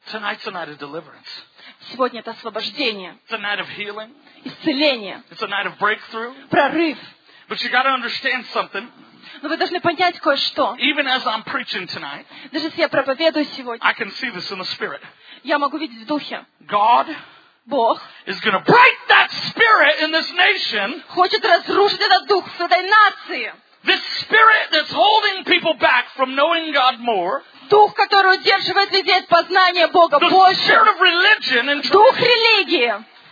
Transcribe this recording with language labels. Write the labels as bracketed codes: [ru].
[en] Tonight's a night of deliverance. [ru] Сегодня это освобождение. [en] It's a night of healing. [ru] Исцеление. [en] It's a night of breakthrough. [ru] Прорыв. [en] But you got to understand something. [ru] Но вы должны понять кое-что. [en] Even as I'm preaching tonight, [ru] даже если я проповедую сегодня, [en] I can see this in the spirit. [ru] Я могу видеть в духе. [en] God, [ru] Бог, [en] is going to break that spirit in this nation. [ru] Хочет разрушить этот дух в этой нации. [en] This spirit that's holding people back from knowing God more. [ru] Дух, который удерживает людей от познания Бога больше. [en] The spirit of religion and truth. [ru] Дух религии.